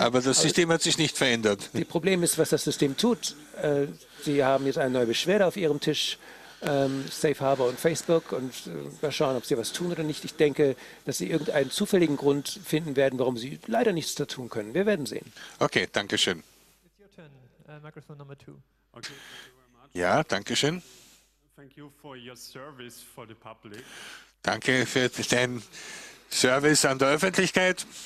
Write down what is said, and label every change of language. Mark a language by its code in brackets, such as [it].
[de] Aber das System hat sich nicht verändert. Das Problem ist, was das System tut. Sie haben jetzt eine neue Beschwerde auf Ihrem Tisch, Safe Harbor und Facebook, und mal schauen, ob Sie was tun oder nicht. Ich denke, dass Sie irgendeinen zufälligen Grund finden werden, warum Sie leider nichts da tun können. Wir werden sehen. Okay, danke schön. [en] It's your turn, microphone number two. Okay, [de] ja, danke schön. [en] Thank you for your service for the public. [de] Danke für deinen Service an der Öffentlichkeit.